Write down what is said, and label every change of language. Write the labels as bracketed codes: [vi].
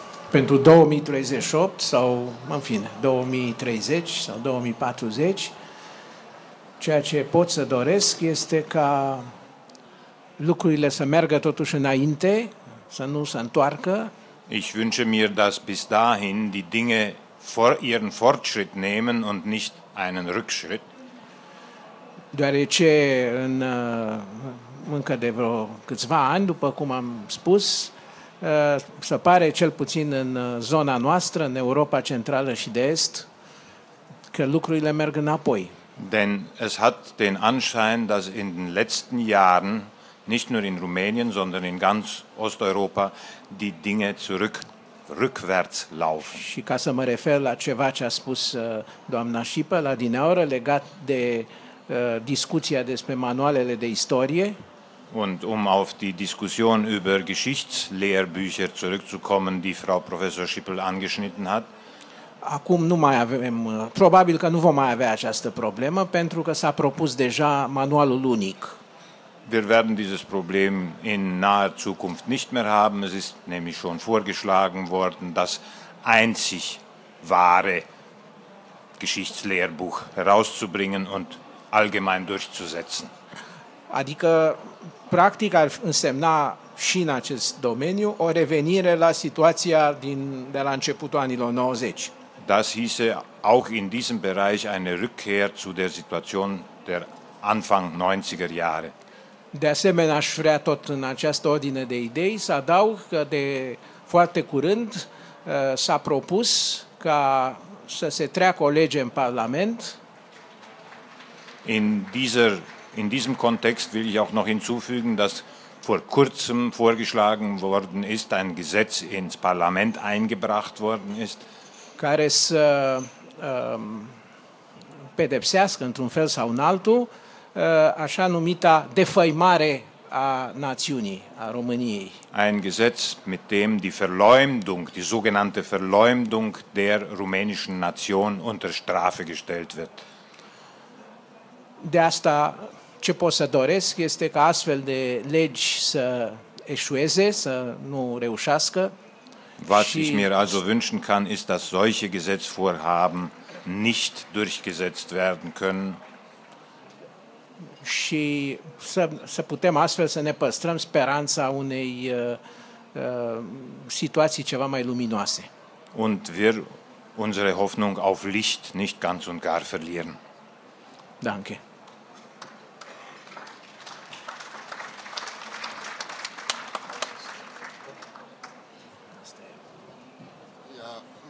[ro] Pentru 2038 sau, în fine, 2030 sau 2040, ceea ce pot să doresc este ca lucrurile să meargă totuși înainte, să nu se întoarcă. [de] Ich wünsche mir, dass bis dahin die Dinge ihren Fortschritt nehmen und nicht einen Rückschritt. [ro] Deoarece în încă de vreo câțiva ani, după cum am spus, se pare cel puțin în zona noastră, în Europa Centrală și de Est, că lucrurile merg înapoi. [de] Denn es hat den Anschein, dass in den letzten Jahren nicht nur in Rumänien, sondern in ganz Osteuropa die Dinge rückwärts laufen. [ro] Și ca să mă refer la ceva ce a spus doamna Șipă la dineaură legat de discuția despre manualele de istorie. [de] Und um auf die Diskussion über Geschichtslehrbücher zurückzukommen, die Frau Professor Schippel angeschnitten hat. [ro] Acum nu mai avem, probabil că nu vom mai avea această problemă, pentru că s-a propus deja manualul unic. [de] Wir werden dieses Problem in naher Zukunft nicht mehr haben. Es ist nämlich schon vorgeschlagen worden, das einzig wahre Geschichtslehrbuch herauszubringen und allgemein durchzusetzen. [ro] Adică practic ar însemna și în acest domeniu o revenire la situația de la începutul anilor 90. [de] Das hieße auch in diesem Bereich eine Rückkehr zu der Situation der Anfang 90er Jahre. [ro] De asemenea, aș vrea tot în această ordine de idei să adaug că de foarte curând s-a propus ca să se treacă o lege în Parlament. [de] In diesem Kontext will ich auch noch hinzufügen, dass vor kurzem vorgeschlagen worden ist, ein Gesetz ins Parlament eingebracht worden ist, [ro] care să pedepsească într-un fel sau în altul așa numita defăimare a națiunii, a României. [de] Ein Gesetz, mit dem die Verleumdung, die sogenannte Verleumdung der rumänischen Nation unter Strafe gestellt wird. [ro] De asta ce pot să doresc este ca astfel de legi să eșueze, să nu reușească. [de] Was ich mir also wünschen kann, ist, dass solche Gesetzvorhaben nicht durchgesetzt werden können. [ro] Și să putem astfel să ne păstrăm speranța unei situații ceva mai luminoase. [de] Und wir unsere Hoffnung auf Licht nicht ganz und gar verlieren. Danke. Ja,